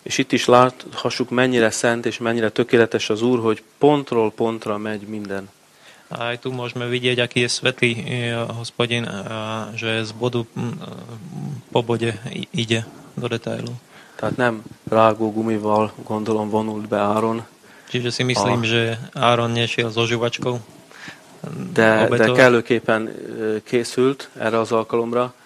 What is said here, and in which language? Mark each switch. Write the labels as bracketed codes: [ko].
[hu] És itt is láthassuk, mennyire szent és mennyire tökéletes az Úr, hogy pontról pontra megy minden. [sk] A aj tu môžeme vidieť, aký je svätý Hospodin, že z bodu po bode ide do detailu. [hu] Tehát nem rágó gumival, gondolom, vonult be Áron. [sk] Čiže si myslím, že Áron nešiel so žuvačkou. [hu] De kellőképpen készült erre az alkalomra.